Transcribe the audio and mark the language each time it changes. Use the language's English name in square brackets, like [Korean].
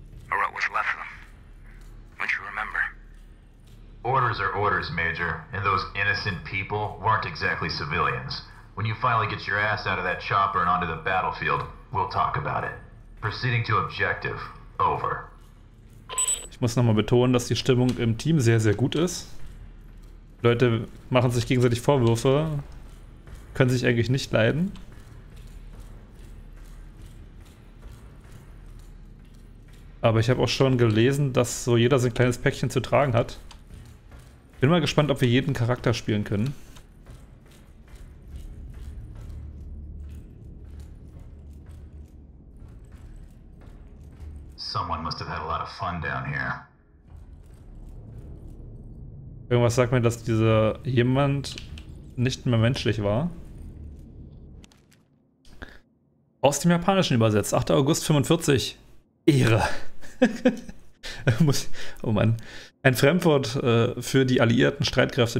[English] Or what was left of them. Don't you remember? Orders are orders, Major. And those innocent people weren't exactly civilians. When you finally get your ass out of that chopper and onto the battlefield, we'll talk about it. Proceeding to objective. Over. [German] Ich muss nochmal betonen, dass die Stimmung im Team sehr, sehr gut ist. Die Leute machen sich gegenseitig Vorwürfe, können sich eigentlich nicht leiden. Aber ich habe auch schon gelesen, dass so jeder sein kleines Päckchen zu tragen hat. Bin mal gespannt, ob wir jeden Charakter spielen können. [English] Someone must have had a lot of fun down here. [German] Irgendwas sagt mir, dass dieser jemand nicht mehr menschlich war. Aus dem Japanischen übersetzt, 8. August 45. Ehre. Oh Mann. Ein Fremdwort für die alliierten Streitkräfte.